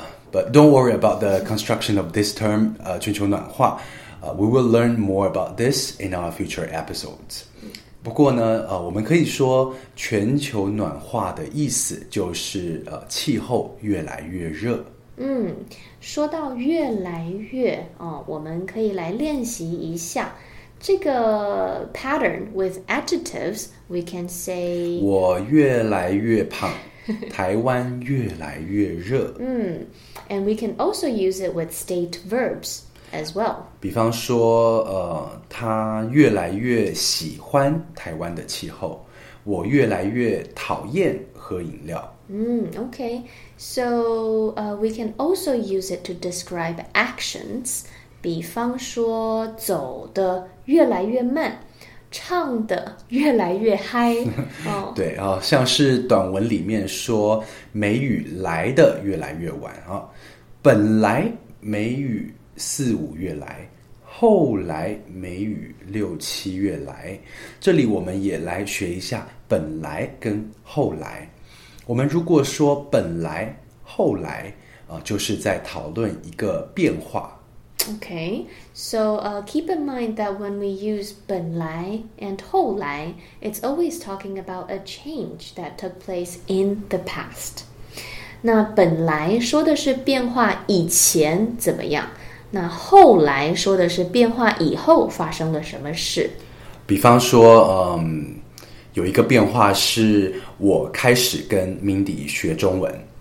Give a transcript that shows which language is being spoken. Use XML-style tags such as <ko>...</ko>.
<en>But don't worry about the construction of this term, 全球暖化。 We will learn more about this in our future episodes.</en> <zh>不过呢，我们可以说全球暖化的意思就是气候越来越热。说到越来越，我们可以来练习一下这个</zh> <en>pattern with adjectives. We can say</en> <zh>我越来越胖。台湾越来越热。</zh> <en>And we can also use it with state verbs as well.</en> <zh>比方说他越来越喜欢台湾的气候，我越来越讨厌喝饮料。</zh> <en>Okay, so we can also use it to describe actions.</en> <zh>比方说走得越来越慢，唱得越来越嗨。对啊，像是短文里面说梅雨来得越来越晚啊，本来梅雨四五月来，后来梅雨六七月来。这里我们也来学一下本来跟后来。我们如果说本来后来就是在讨论一个变化。</zh> <en>Okay, so keep in mind that when we use 本来 and 后来, it's always talking about a change that took place in the past.</en> <zh>那本来说的是变化以前怎么样，那后来说的是变化以后发生了什么事。比方说有一个变化是我开始跟 Mindy 学中文。</zh>